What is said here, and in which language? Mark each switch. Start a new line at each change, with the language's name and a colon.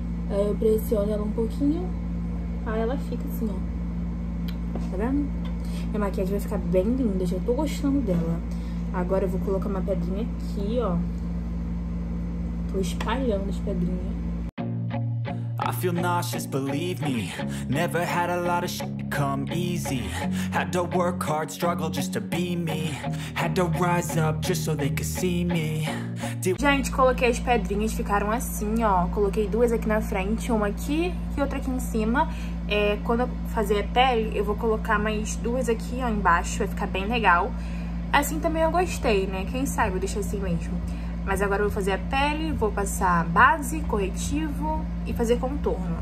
Portuguese: Aí eu pressiono ela um pouquinho, aí ela fica assim, ó. Tá vendo? Minha maquiagem vai ficar bem linda, já tô gostando dela. Agora eu vou colocar uma pedrinha aqui, ó. Tô espalhando as pedrinhas.
English: I feel nauseous, believe me. Never had a lot of shit come easy. Had to work hard, struggle just to be me. Had to rise up just so they could see me.
Portuguese: Gente, coloquei as pedrinhas, ficaram assim, ó. Coloquei duas aqui na frente, uma aqui e outra aqui em cima. É, quando eu fazer a pele, eu vou colocar mais duas aqui, ó, embaixo. Vai ficar bem legal. Assim também eu gostei, né? Quem sabe eu deixo assim mesmo. Mas agora eu vou fazer a pele, vou passar base, corretivo e fazer contorno.